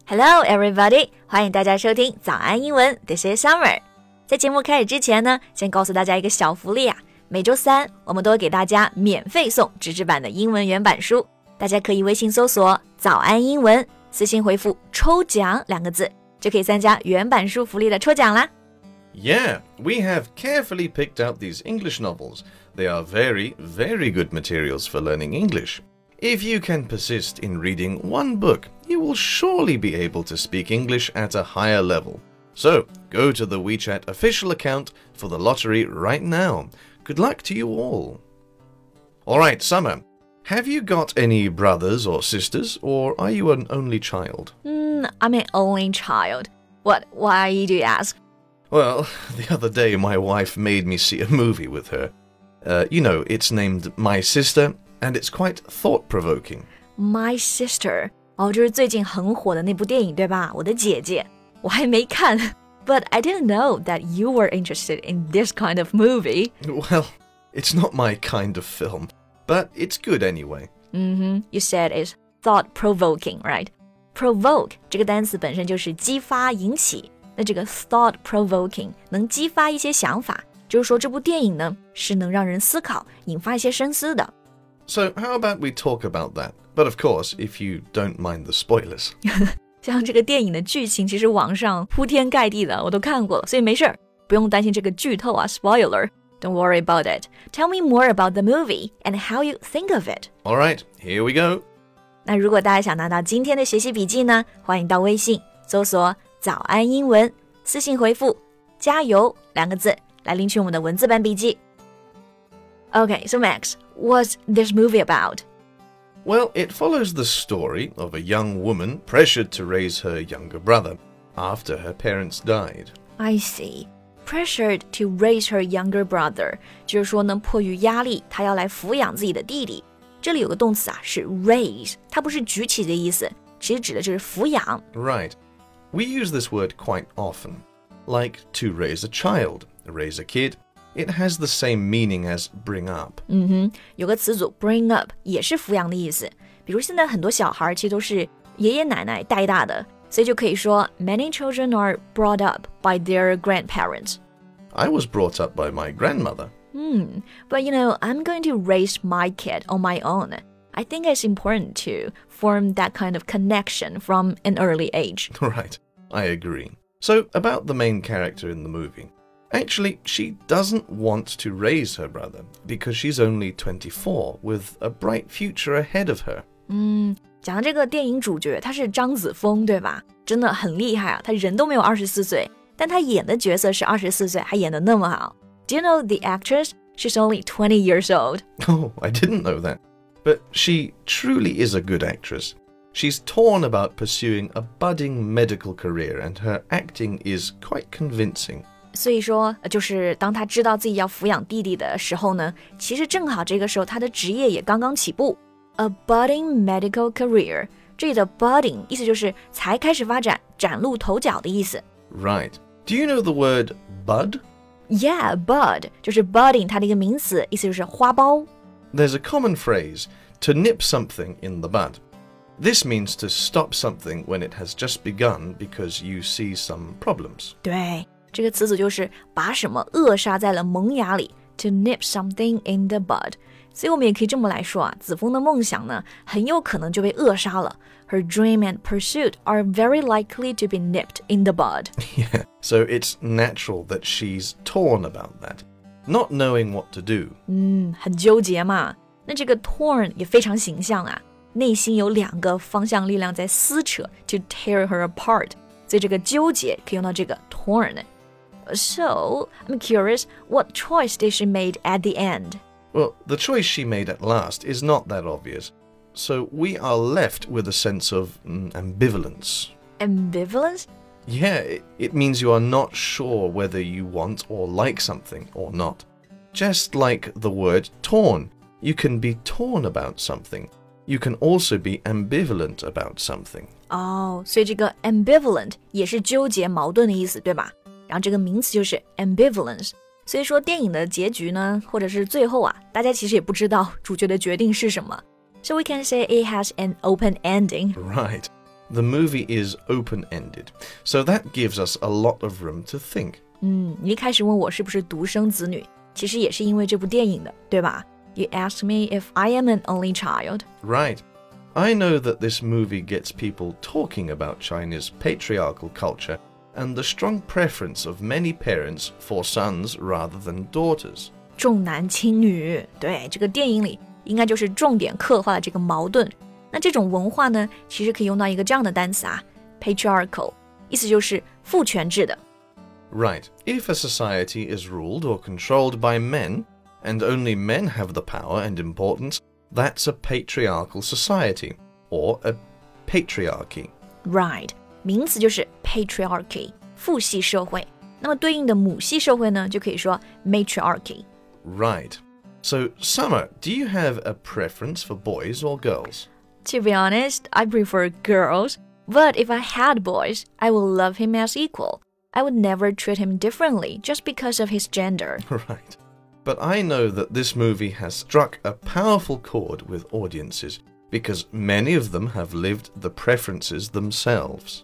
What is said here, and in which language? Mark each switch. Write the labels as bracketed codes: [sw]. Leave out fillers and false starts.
[en] Hello everybody, [zh] 欢迎大家收听早安英文 [en] This is Summer. [zh] 在节目开始之前呢，先告诉大家一个小福利啊。每周三，我们都会给大家免费送纸质版的英文原版书。大家可以微信搜索早安英文，私信回复抽奖两个字，就可以参加原版书福利的抽奖啦。 [en] Yeah, we have carefully picked out these English novels. They are very, very good materials for learning English. If you can persist in reading one book, you will surely be able to speak English at a higher level. So, go to the WeChat official account for the lottery right now. Good luck to you all. All right, Summer, have you got any brothers or sisters, or are you an only child? I'm an only child. What? Why do you ask? Well, the other day my wife made me see a movie with her. You know, it's named My Sister, and it's quite thought-provoking. My Sister? [zh] 哦，就是最近很火的那部电影，对吧？我的姐姐。我还没看。 [en] But I didn't know that you were interested in this kind of movie. Well, it's not my kind of film, but it's good anyway. Mm-hmm. You said it's thought-provoking, right? [zh] Provoke 这个单词本身就是激发、引起。那这个 thought provoking 能激发一些想法，就是说这部电影呢是能让人思考，引发一些深思的。 [en] So how about we talk about that? But of course, if you don't mind the spoilers. [zh] 像这个电影的剧情其实网上铺天盖地的，我都看过了，所以没事，不用担心这个剧透啊 spoiler. [en] Don't worry about it. Tell me more about the movie and how you think of it. All right, here we go. [zh] 那如果大家想拿到今天的学习笔记呢，欢迎到微信搜索早安英文，私信回复加油两个字来领取我们的文字版笔记。 [en] Okay, so Max, what's this movie about? Well, it follows the story of a young woman pressured to raise her younger brother after her parents died. I see. Pressured to raise her younger brother, [zh] 就是说呢迫于压力她要来抚养自己的弟弟。这里有个动词啊是 raise, 它不是举起的意思，其实指的就是抚养。 [en] Right. We use this word quite often, like to raise a child, raise a kid. It has the same meaning as bring up. [zh] 有个词组 bring up 也是抚养的意思。比如现在很多小孩其实都是爷爷奶奶带大的，所以就可以说 [en] many children are brought up by their grandparents. I was brought up by my grandmother. But you know, I'm going to raise my kid on my own. I think it's important to form that kind of connection from an early age. Right, I agree. So, about the main character in the movie. Actually, she doesn't want to raise her brother because she's only 24 with a bright future ahead of her. [zh] 讲到这个电影主角，他是张子枫，对吧？真的很厉害啊，他人都没有24岁，但他演的角色是24岁，还演得那么好。 [en] Do you know the actress? She's only 20 years old. Oh, I didn't know that. But she truly is a good actress. She's torn about pursuing a budding medical career, and her acting is quite convincing. [zh] 所以说，就是当她知道自己要抚养弟弟的时候呢，其实正好这个时候她的职业也刚刚起步。 [en] A budding medical career. [zh] 这里的 budding 意思就是才开始发展，崭露头角的意思。 [en] Right. Do you know the word bud? Yeah, bud. [zh] 就是 budding 它的一个名词，意思就是花苞。 [en] There's a common phrase, to nip something in the bud. This means to stop something when it has just begun because you see some problems. [zh] 对，这个词组就是把什么扼杀在了萌芽里 [en] to nip something in the bud. [zh] 所以我们也可以这么来说啊，子枫的梦想呢，很有可能就被扼杀了。 [en] Her dream and pursuit are very likely to be nipped in the bud. Yeah, so it's natural that she's torn about that. Not knowing what to do. [zh] 很纠结嘛。那这个 torn 也非常形象啊。内心有两个方向力量在撕扯 [en] to tear her apart. [zh] 所以这个纠结可以用到这个 torn. [en] So, I'm curious, what choice did she made at the end? Well, the choice she made at last is not that obvious. So we are left with a sense of ambivalence. Ambivalence? Yeah, it means you are not sure whether you want or like something or not. Just like the word torn, you can be torn about something. You can also be ambivalent about something. [zh] Oh, 所以这个 ambivalent 也是纠结矛盾的意思，对吧？然后这个名词就是 ambivalence. 所以说电影的结局呢，或者是最后啊，大家其实也不知道主角的决定是什么。 [en] So we can say it has an open ending. Right. The movie is open-ended. So that gives us a lot of room to think. [zh] 你一开始问我是不是独生子女，其实也是因为这部电影的，对吧？ [en] You asked me if I am an only child. Right. I know that this movie gets people talking about China's patriarchal culture and the strong preference of many parents for sons rather than daughters. [zh] 重男轻女，对，这个电影里应该就是重点刻画了这个矛盾。那这种文化呢，其实可以用到一个这样的单词啊 ,patriarchal, 意思就是父权制的。 [en] Right, if a society is ruled or controlled by men, and only men have the power and importance, that's a patriarchal society, or a patriarchy. [zh] Right, 名词就是 patriarchy, 父系社会。那么对应的母系社会呢，就可以说 matriarchy. [en] Right, so Summer, do you have a preference for boys or girls? To be honest, I prefer girls, but if I had boys, I would love him as equal. I would never treat him differently just because of his gender. Right. But I know that this movie has struck a powerful chord with audiences because many of them have lived the preferences themselves.